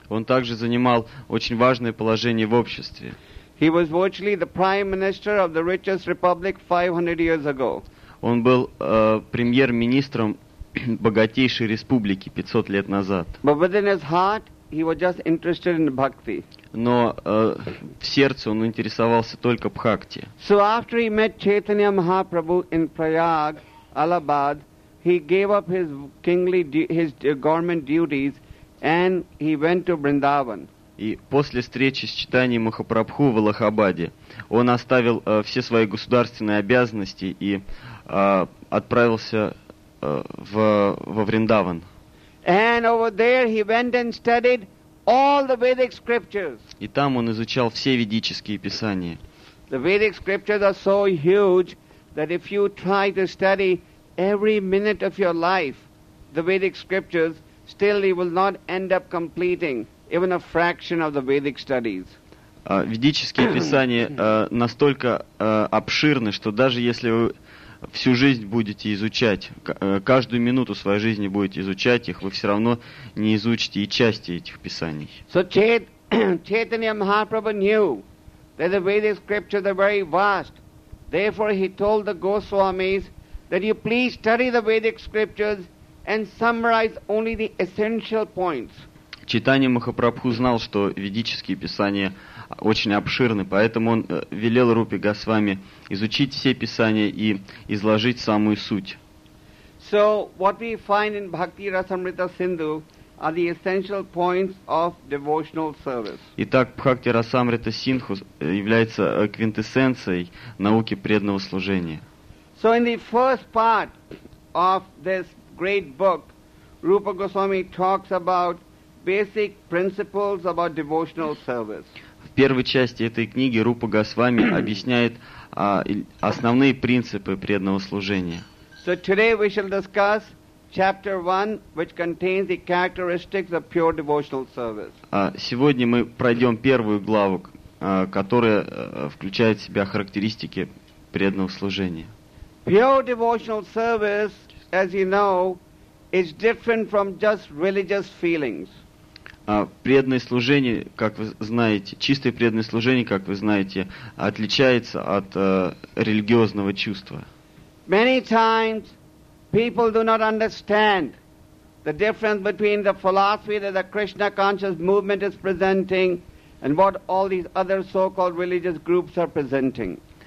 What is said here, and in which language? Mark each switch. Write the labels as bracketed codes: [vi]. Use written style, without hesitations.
[ru] Он также занимал очень важное положение в обществе. [en] He was virtually the prime minister of the richest republic 500 years ago. [ru] Он был премьер-министром богатейшей республики 500 лет назад. [en] But within his heart, he was just interested in bhakti. [ru] Но в сердце он интересовался только бхакти. [en] So after he met Chaitanya Mahaprabhu in Prayag, Allahabad, he gave up his kingly government duties and he went to Vrindavan. [ru] И после встречи с Чайтаньей Махапрабху в Аллахабаде он оставил все свои государственные обязанности и отправился во Вриндаван. [en] And over there he went and studied all the Vedic scriptures. [ru] И там он изучал все ведические писания. [en] The Vedic scriptures are so huge that if you try to study every minute of your life, the Vedic scriptures, still you will not end up completing even a fraction of the Vedic studies. [ru] Ведические писания настолько обширны, что даже если вы всю жизнь будете изучать, каждую минуту своей жизни будете изучать их, вы все равно не изучите и части этих писаний. [en] So Chaitanya Mahaprabhu knew that the Vedic scriptures are very vast. Therefore, he told the Goswamis that you please study the Vedic scriptures and summarize only the essential points. [ru] Chaitanya Mahaprabhu знал, что ведические писания очень обширны, поэтому он велел Рупе Госвами изучить все писания и изложить самую суть. [en] So what we find in Bhakti Rasamrita Sindhu are the essential points of devotional service. [ru] Итак, Бхакти Расамрита Синдху является квинтэссенцией науки преданного служения. [en] So in the first part of this great book, Rupa Goswami talks about basic principles about devotional service. [ru] В первой части этой книги Рупа Госвами объясняет основные принципы преданного служения. [en] So today we shall discuss chapter 1, which contains the characteristics of pure devotional service. [ru] Сегодня мы пройдем первую главу, которая включает в себя характеристики преданного служения. [en] Pure devotional service, as you know, is different from just religious feelings. [ru] Преданное служение, как вы знаете, чистое преданное служение, как вы знаете, отличается от религиозного чувства. [en] Many times people do not understand the difference between the philosophy that the Krishna conscious movement is presenting and what all these other so-called religious groups are presenting.